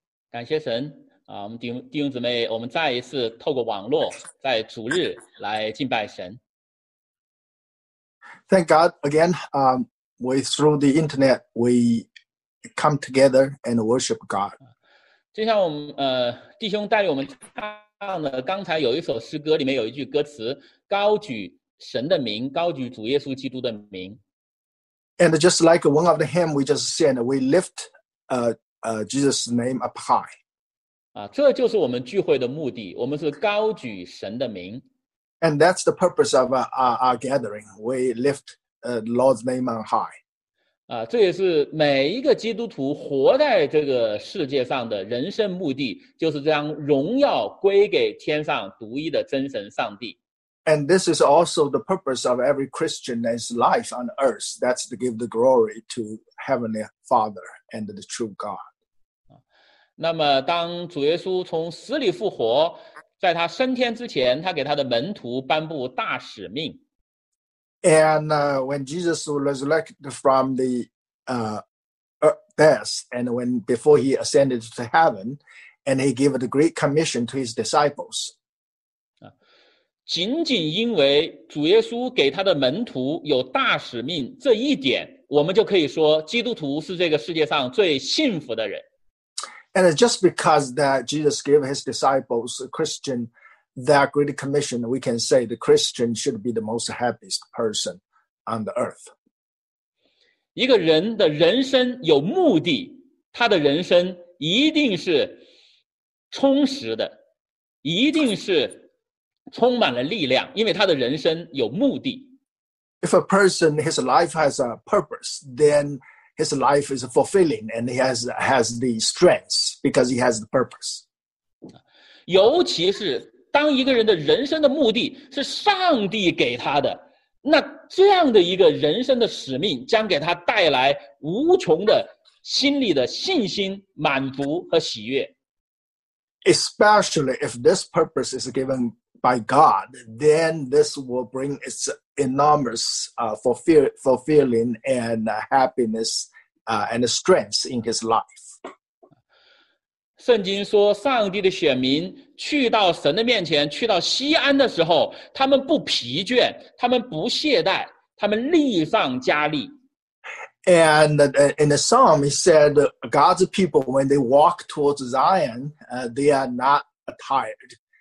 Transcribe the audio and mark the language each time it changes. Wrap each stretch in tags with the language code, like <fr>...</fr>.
<zh>感谢神啊！我们弟兄姊妹，我们再一次透过网络，在主日来敬拜神。</zh> <en>Thank God again. We through the internet we come together and worship God.</en> <zh>就像我们弟兄带领我们唱的，刚才有一首诗歌，里面有一句歌词：高举神的名，高举主耶稣基督的名。</zh> <en>And just like one of the hymn we just sang, we lift Jesus' name up high.</en> <zh>这就是我们聚会的目的，我们是高举神的名。</zh> <en>And that's the purpose of our gathering. We lift Lord's name on high.</en> <zh>这也是每一个基督徒活在这个世界上的人生目的，就是将荣耀归给天上独一的真神上帝。</zh> <en>And this is also the purpose of every Christian's life on earth. That's to give the glory to Heavenly Father and the true God.</en> <zh>那么当主耶稣从死里复活，在他升天之前，他给他的门徒颁布大使命。</zh> <en>And when Jesus was resurrected from the death, and when before he ascended to heaven, and he gave the great commission to his disciples,</en> <zh>仅仅因为主耶稣给他的门徒有大使命这一点，我们就可以说基督徒是这个世界上最幸福的人。</zh> <en>And just because that Jesus gave his disciples a Christian that great commission, we can say the Christian should be the most happiest person on the earth.</en> <zh>一个人的人生有目的，他的人生一定是充实的，一定是充满了力量，因为他的人生有目的。</zh> <en>If a person, his life has a purpose, then his life is fulfilling and he has the strength because he has the purpose.</en> <zh>尤其是当一个人的人生的目的是上帝给他的，那这样的一个人生的使命将给他带来无穷的心理的信心、满足和喜悦。</zh> <en>Especially if this purpose is given by God, then this will bring its enormous fulfilling and happiness and strength in his life.</en> <zh>圣经说上帝的选民去到神的面前，去到锡安的时候，他们不疲倦，他们不懈怠，他们力上加力。</zh> <en>And in the psalm, he said, God's people, when they walk towards Zion, they are not tired.</en>